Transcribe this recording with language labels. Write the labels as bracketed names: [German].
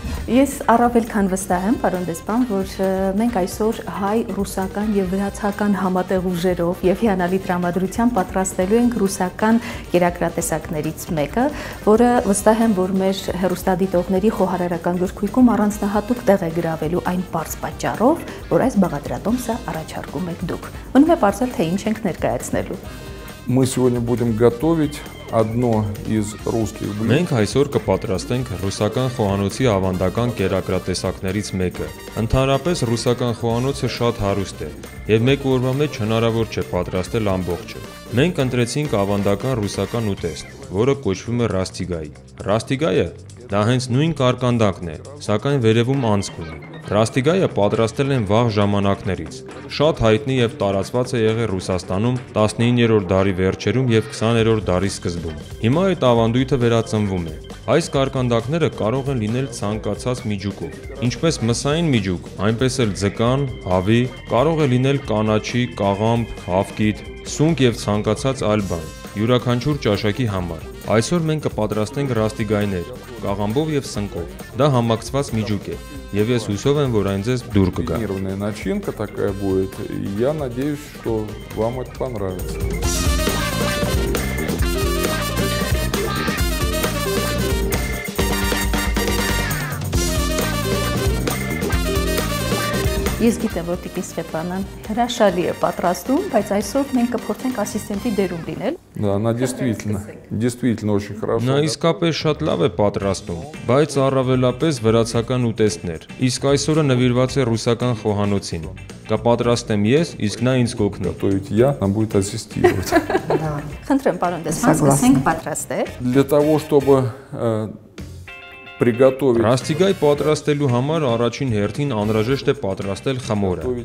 [Armenian] Ես առավել քան վստահ եմ, պարոն Դեսպան, որ մենք այսօր հայ-ռուսական և վրացական համատեղ ուժերով և հիանալի տրամադրությամբ պատրաստելու ենք ռուսական կերակրատեսակներից մեկը, որը վստահ եմ, որ մեր հեռուստադիտողների խոհարարական գրքույկում առանձնահատուկ տեղ է գրավելու այն պարզ պատճառով, որ այս բաղադրատոմսը առաջարկում եք դուք։ Մնում է պարզել, թե ինչ ենք ներկայացնելու։ [Russian] Мы сегодня будем готовить одно из русских блюд. [Armenian] Մենք այսօր կպատրաստենք ռուսական խոհանոցի ավանդական կերակրատեսակներից մեկը։ Ընդհանրապես ռուսական խոհանոցը շատ հարուստ է, եւ մեկ օրվա մեջ հնարավոր չէ պատրաստել ամբողջը։ Մենք ընտրեցինք ավանդական ռուսական ուտեստ, որը կոչվում է ռաստիգայ։ Ռաստիգայը դա հենց նույն կարկանդակն է, սակայն վերևում անցք ունի։ Ռաստիգայը պատրաստել են վաղ ժամանակներից, շատ հայտնի և տարածված է եղել Ռուսաստանում 19-րդ դարի վերջերում և 20-րդ դարի սկզբում։ Հիմա այդ ավանդույթը վերածնվում է։ Այս կարկանդակները կարող են լինել ցանկացած միջուկով, ինչպես մսային միջուկ, այնպես էլ ձկան, հավի, կարող է լինել կանաչի, կաղամբ, հավկիտ, սունկ և ցանկացած այլ բան, յուրաքանչյուր ճաշակի համար։ Այսօր մենք կպատրաստենք ռաստիգայներ, կաղամբով և սնկով, դա համակցված միջուկ է, և ես հուսով եմ, որ այն ձեզ դուր կգա։ [Russian] Ինիրունե նաչինկա տակայ բույթ, я надеюсь, что вам это понравится։ [Armenian] Ես գիտեմ, որ տիկին Սվետլանան հրաշալի է պատրաստում, բայց այսօր մենք կփորձենք ասիստենտի դերում լինել։ [Russian] Да, она действительно, действительно очень хорошо. [Armenian] Նա իսկապես շատ լավ է պատրաստում, բայց առավելապես վրացական ուտեստներ։ Իսկ այսօրը նվիրված է ռուսական խոհանոցին։ Կպատրաստեմ ես, իսկ նա ինձ կօգնի։ [Russian] То есть я нам будет ассистировать. Да. [Armenian] Խնդրեմ, պարոն Դեսպան, սկսենք պատրաստել։ [Russian] Для того, чтобы приготовить [Armenian] ռաստիգայ պատրաստելու համար առաջին հերթին անհրաժեշտ է պատրաստել խմորը։